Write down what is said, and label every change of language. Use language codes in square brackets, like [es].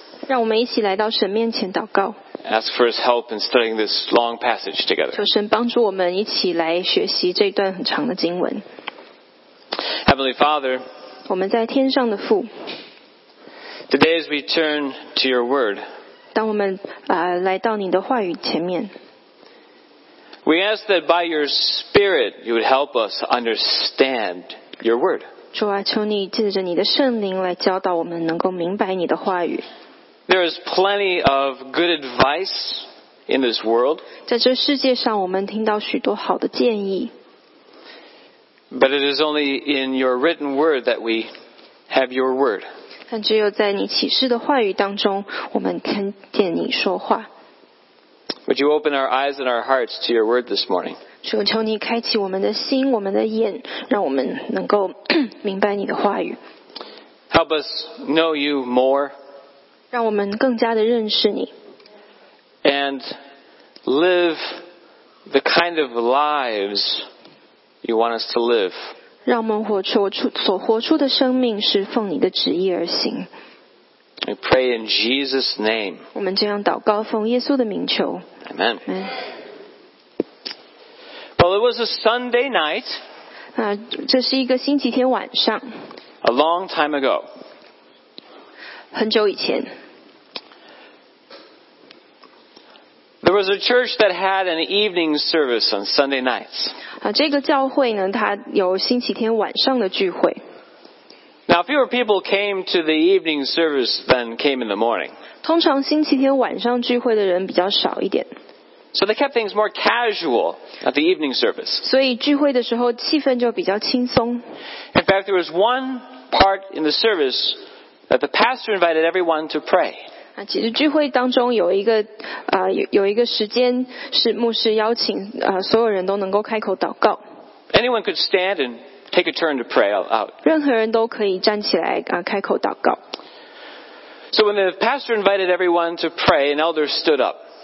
[zh] 让我们一起来到神面前祷告。 [en] Ask for His help in studying this long passage together. [zh] 求神帮助我们一起来学习这段很长的经文。 [en] Heavenly Father, [zh] 我们在天上的父。 [en] Today, as we turn to Your Word, [zh] 当我们来到你的话语前面。 [en] We ask that by your Spirit, you would help us understand your word. [zh] 主啊，求你借着你的圣灵来教导我们能够明白你的话语。 [en] There is plenty of good advice in this world. [zh] 在这世界上我们听到许多好的建议。 [en] But it is only in your written word that we have your word. [zh] 但只有在你启示的话语当中，我们听见你说话。 [en] Would you open our eyes and our hearts to your word this morning? [zh] 主，求你开启我们的心，我们的眼，让我们能够明白你的话语。 [en] Help us know you more. [zh] 让我们更加的认识你。 [en] And live the kind of lives you want us to live. [zh] 让我们活出所活出的生命是奉你的旨意而行。 [en] We pray in Jesus' name. [zh] 我们这样祷告，奉耶稣的名求。 [en] Amen. Well, it was a Sunday night. [zh] 这是一个星期天晚上。 [en] A long time ago. [zh] 很久以前。 [en] There was a church that had an evening service on Sunday nights. [zh] 这个教会呢，它有星期天晚上的聚会。 [en] Now, fewer people came to the evening service than came in the morning. [zh] 通常星期天晚上聚会的人比较少一点。 [en] So they kept things more casual at the evening service. [zh] 所以聚会的时候气氛就比较轻松。 [en] In fact, there was one part in the service that the pastor invited everyone to pray. [zh] 其实聚会当中有一个时间是牧师邀请所有人都能够开口祷告。 [en] Anyone could stand and take a turn to pray out. [zh] 任何人都可以站起来开口祷告。 [en] So when the pastor invited everyone to pray, an elder stood up.